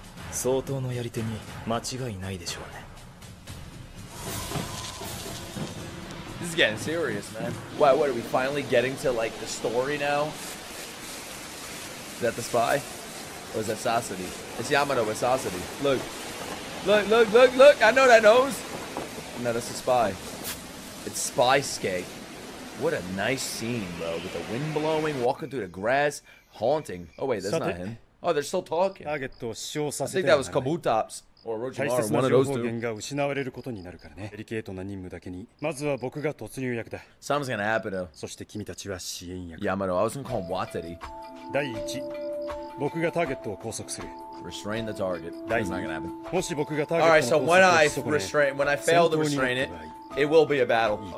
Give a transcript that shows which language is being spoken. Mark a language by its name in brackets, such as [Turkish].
[Japanese] 相当のやり手に間違いないでしょうね。 [English] This is getting serious, man. Why, what, are we finally getting to like the story now? Is that the spy? Or is that Sasori? It's Yamato with Sasori. Look. Look. I know that nose. No, that's the spy. It's Spy Skate. What a nice scene, bro. With the wind blowing, walking through the grass. Haunting. Oh, wait, that's not him. Oh, they're still talking. I think that was Kabutops. Or Orochimaru, one of those two. Something's gonna happen, though. Yamato, I was gonna call him Watari. [Japanese] 第一、僕がターゲットを拘束する。 [English] Restrain the target. That's not gonna happen. Alright, so when I restrain, when I fail to restrain it, it will be a battle.